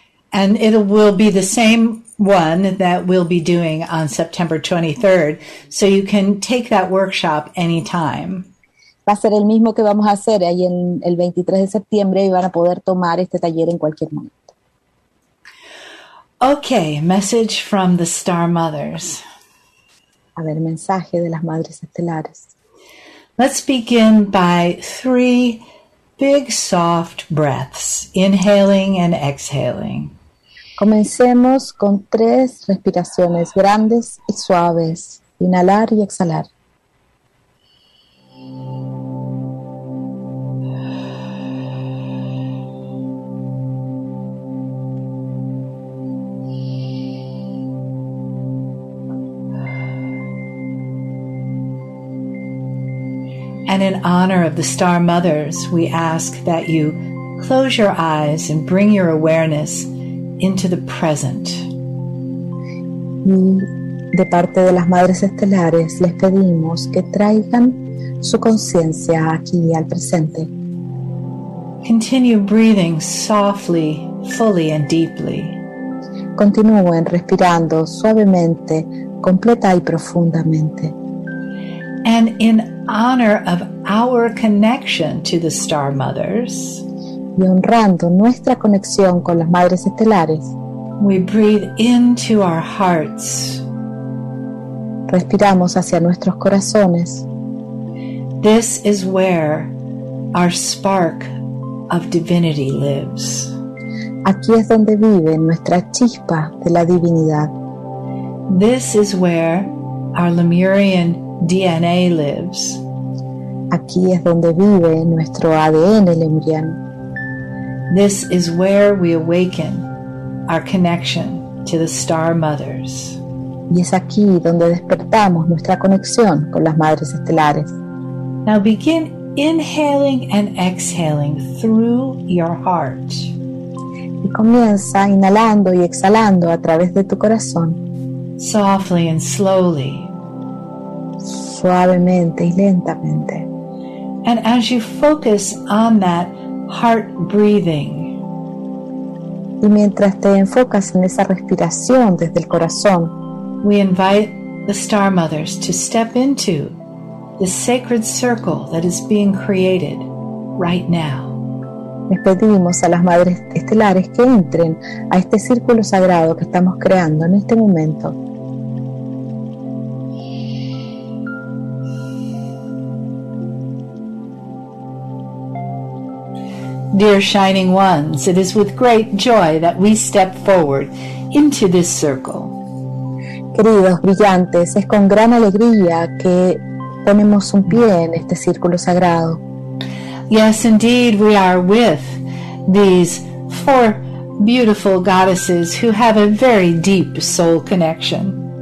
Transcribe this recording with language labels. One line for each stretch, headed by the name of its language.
English: And it will be the same one that we'll be doing on September 23rd, so you can take that workshop anytime.
Spanish: Va a ser el mismo que vamos a hacer ahí en el 23 de septiembre y van a poder tomar este taller en cualquier momento.
English: Okay, message from the Star Mothers.
Spanish: A ver, mensaje de las Madres Estelares.
English: Let's begin by 3 big soft breaths, inhaling and exhaling.
Spanish: Comencemos con 3 respiraciones grandes y suaves. Inhalar y exhalar.
English: And in honor of the Star Mothers, we ask that you close your eyes and bring your awareness into the present.
Spanish: Y de parte de las Madres Estelares les pedimos que traigan su conciencia aquí al presente.
English: Continue breathing softly, fully and deeply.
Spanish: Continúen respirando suavemente, completa y profundamente.
English: And in honor of our connection to the Star Mothers,
Spanish: y honrando nuestra conexión con las Madres Estelares,
English: we breathe into our hearts.
Spanish: Respiramos hacia nuestros corazones.
English: This is where our spark of divinity lives.
Spanish: Aquí es donde vive nuestra chispa de la divinidad.
English: This is where our Lemurian DNA lives.
Spanish: Aquí es donde vive nuestro ADN lemuriano.
English: This is where we awaken our connection to the star mothers.
Spanish: Y es aquí donde despertamos nuestra conexión con las madres estelares.
English: Now begin inhaling and exhaling through your heart.
Spanish: Y comienza inhalando y exhalando a través de tu corazón.
English: Softly and slowly.
Spanish: Suavemente y lentamente.
English: And as you focus on that heart breathing.
Spanish: Y mientras te enfocas en esa respiración desde el corazón.
English: We invite the star mothers to step into the sacred circle that is being created right now.
Spanish: Les pedimos a las madres estelares que entren a este círculo sagrado que estamos creando en este momento.
English: Dear shining ones, it is with great joy that we step forward into this circle.
Spanish: Queridos brillantes, es con gran alegría que ponemos un pie en este círculo sagrado.
English: Yes, indeed, we are with these four beautiful goddesses who have a very deep soul connection.